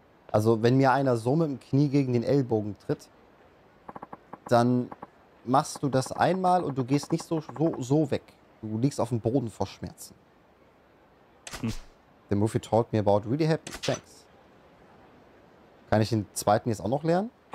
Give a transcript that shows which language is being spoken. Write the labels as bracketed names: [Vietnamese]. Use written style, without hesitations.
[German] Also, wenn mir einer so mit dem Knie gegen den Ellbogen tritt, dann machst du das einmal und du gehst nicht so weg. Du liegst auf dem Boden vor Schmerzen. [English] The movie taught me about really happy things. [German] Kann ich den zweiten jetzt auch noch lernen?